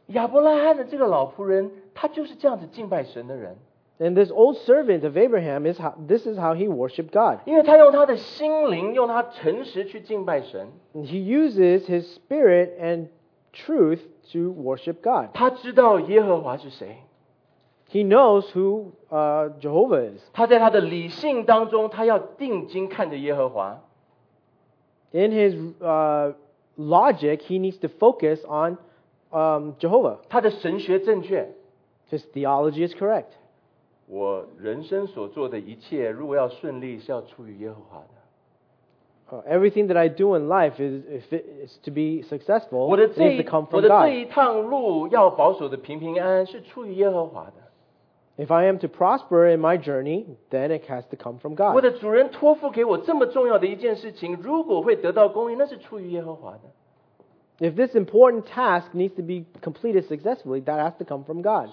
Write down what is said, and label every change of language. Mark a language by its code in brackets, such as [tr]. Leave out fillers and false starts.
[zh] 亚伯拉罕的这个老仆人他就是这样子敬拜神的人。 [en] And this old servant of Abraham, this is how he worshiped God. [zh] 因为他用他的心灵用他诚实去敬拜神。 [en] And he uses his spirit and truth to worship God. [zh] 他知道耶和华是谁。 [en] He knows who Jehovah is. [zh] 他在他的理性当中，他要定睛看着耶和华。 [en] In his logic, he needs to focus on Jehovah. [zh] 他的神学正确。 [en] His theology is correct. [zh] 我人生所做的一切，如果要顺利，是要出于耶和华的。 [en] Everything that I do in life is, if it is to be successful, it needs to come from God. [zh] 我的这一趟路要保守的平平安安是出于耶和华的。 [en] If I am to prosper in my journey, then it has to come from God. [zh] 我的主人托付给我这么重要的一件事情，如果会得到公义，那是出于耶和华的。 [en] If this important task needs to be completed successfully, that has to come from God.